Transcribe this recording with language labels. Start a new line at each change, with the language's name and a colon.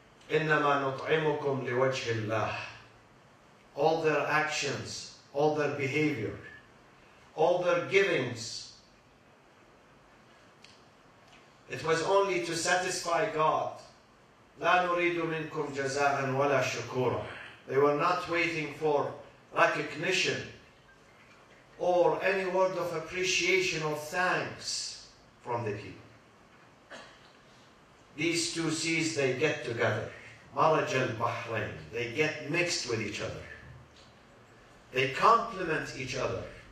Arabic: إنما نطعمكم لوجه الله.
English: All their actions, all their behavior, all their givings, it was only to satisfy God.
Arabic: لا نريد منكم جزاء ولا شكورا.
English: They were not waiting for recognition or any word of appreciation or thanks from the people. These two seas, they get together. Maraj al-Bahrain. They get mixed with each other. They complement each other.